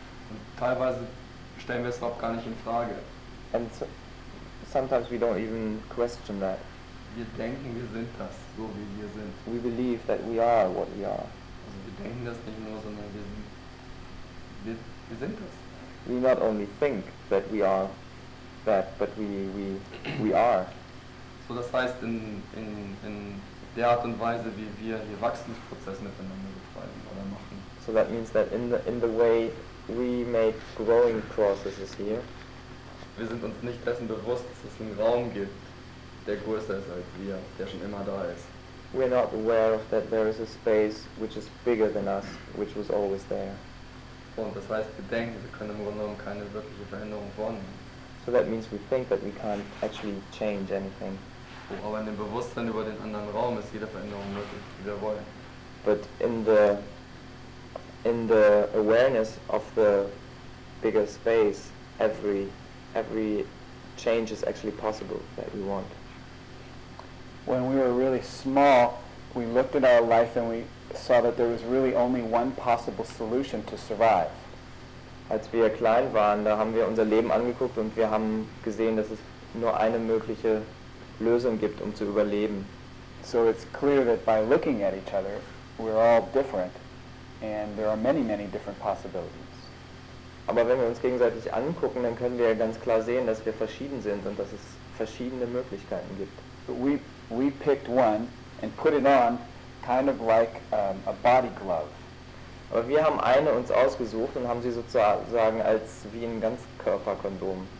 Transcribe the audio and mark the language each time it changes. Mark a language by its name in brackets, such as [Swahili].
[German] Und teilweise stellen wir es auch gar nicht in Frage. [English] And so, sometimes we don't even question that. [German] Wir denken, wir sind das, so wie wir sind. [English] We believe that we are what we are. [German] Also wir denken das nicht nur, sondern wir sind das. [English] We not only think that we are that, but we are. [German] So das heißt, in der Art und Weise, wie wir hier Wachstumsprozesse miteinander betreiben oder machen. [English] So that means that in the way we make growing processes here. [German] Wir sind uns nicht dessen bewusst, dass es einen Raum gibt, der größer ist als wir, der schon immer da ist. [English] We are not aware of that there is a space which is bigger than us, which was always there. [German] Und das heißt, wir denken, wir können im Grunde genommen keine wirkliche Veränderung vornehmen. [English] So that means we think that we can't actually change anything. [German] Aber in dem Bewusstsein über den anderen Raum ist jede Veränderung möglich, die wir wollen. [English] But in the awareness of the bigger space, every change is actually possible that we want. When we were really small, we looked at our life and we saw that there was really only one possible solution to survive. [German] Als wir klein waren, da haben wir unser Leben angeguckt und wir haben gesehen, dass es nur eine mögliche Lösung gibt, um zu überleben. [English] So it's clear that by looking at each other, we're all different and there are many, many different possibilities. [German] Aber wenn wir uns gegenseitig angucken, dann können wir ganz klar sehen, dass wir verschieden sind und dass es verschiedene Möglichkeiten gibt. [English] We picked one and put it on kind of like a body glove. [German] Aber wir haben eine uns ausgesucht und haben sie sozusagen als wie ein Ganzkörperkondom